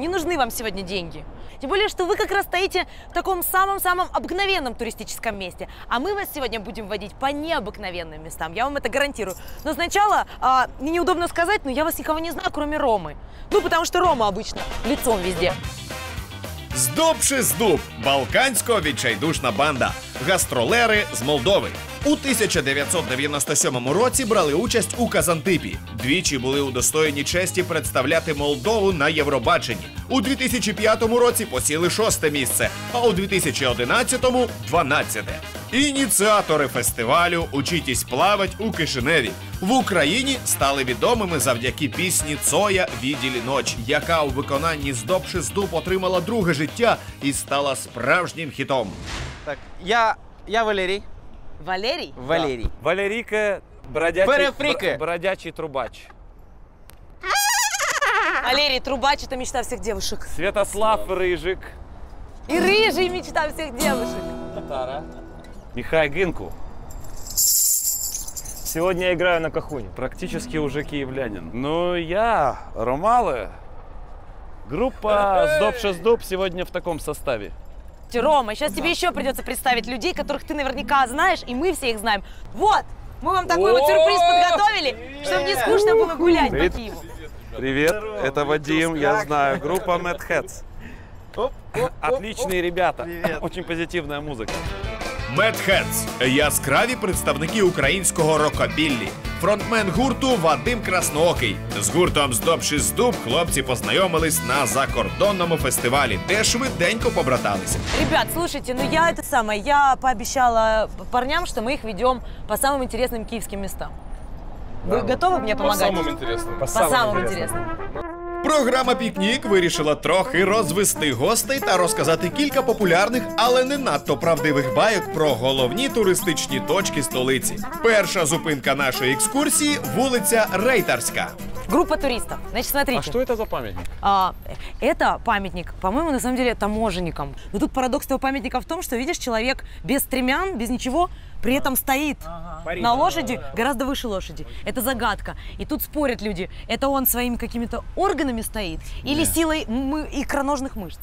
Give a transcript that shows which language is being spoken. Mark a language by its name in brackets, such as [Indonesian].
[Russian] Не нужны вам сегодня деньги. Тем более, что вы как раз стоите в таком самом-самом обыкновенном туристическом месте. А мы вас сегодня будем водить по необыкновенным местам, я вам это гарантирую. Но сначала, мне неудобно сказать, но я вас никого не знаю, кроме Ромы. Ну, потому что Рома обычно лицом везде. [Ukrainian] Здобши з дуб – балканська відчайдушна банда. Гастролери з Молдови. У 1997 році брали участь у Казантипі. Двічі були удостоєні честі представляти Молдову на Євробаченні. У 2005 році посіли шосте місце, а у 2011-му – 12-те. Ініціатори фестивалю «Учитесь плавать» у Кишиневі. В Україні стали відомими завдяки пісні «Цоя відділі ноч», яка у виконанні «Здобши з дуб» отримала друге життя і стала справжнім хітом. Так, я Валерій. Валерій? Валерій. [Russian] Да. [Ukrainian] Валеріка бродячий трубач. Валерій, трубач – це мечта всіх дівчинок. Святослав Рижик. І Рижий – мечта всіх дівчинок. Татара. Михай Гинку. [Russian] Сегодня я играю на кахуне. Практически уже киевлянин. Ну, я, Ромалы. Группа «Здобши з дуб» сегодня в таком составе. Рома, сейчас тебе еще придется представить людей, которых ты наверняка знаешь, и мы все их знаем. Вот, мы вам такой вот сюрприз подготовили, чтобы не скучно было гулять по Киеву. Привет, это Вадим, я знаю, группа Mad Hatz. Отличные ребята, очень позитивная музыка. [Ukrainian] Mad Hatz – яскраві представники українського рокобіллі. Фронтмен гурту – Вадим Красноокий. З гуртом «Здобши з дуб» хлопці познайомились на закордонному фестивалі, де швиденько побратались. [Russian] Ребят, слушайте, ну я это самое, я пообещала парням, что мы их ведем по самым интересным киевским местам. Вы готовы мне помогать? По самым интересным. По самым интересным. [Ukrainian] Програма «Пікнік» вирішила трохи розвести гостей та розказати кілька популярних, але не надто правдивих байок про головні туристичні точки столиці. Перша зупинка нашої екскурсії – вулиця Рейтарська. Група туристів. [Russian] Значить, смотрите. [Ukrainian] А що це за пам'ятник? [Russian] Это памятник, по-моему, на самом деле, таможенникам. Но тут парадокс того памятника в том, что, видишь, человек без стремян, без ничего, при этом стоит на лошади, гораздо выше лошади. Это загадка. И тут спорят люди, это он своими какими-то органами стоит или силой икроножных мышц.